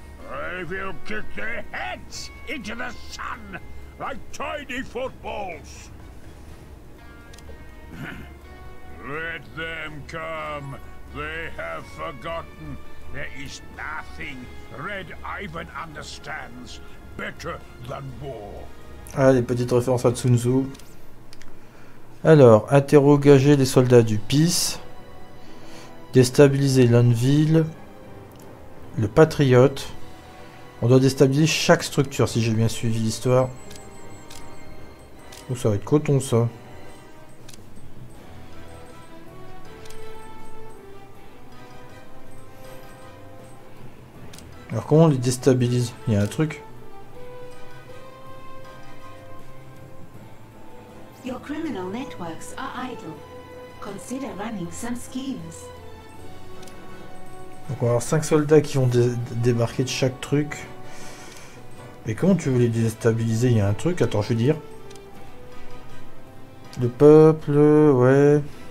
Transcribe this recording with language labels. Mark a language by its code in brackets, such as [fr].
[en] I will kick their heads into the sun like tiny footballs. Let them come. They have forgotten. There is nothing Red Ivan understands better than war. [fr] Allez, petite référence à Sun Tzu. Alors, interroger les soldats du PIS, déstabiliser l'Anvil, le Patriote. On doit déstabiliser chaque structure, si j'ai bien suivi l'histoire. Oh, ça va être coton, ça. Alors comment on les déstabilise? Il y a un truc. [en] Your criminal networks are idle. Consider running some schemes. [fr] Donc on va avoir 5 soldats qui vont débarquer de chaque truc. Mais comment tu veux les déstabiliser? Il y a un truc, attends, je vais dire. Le peuple, ouais.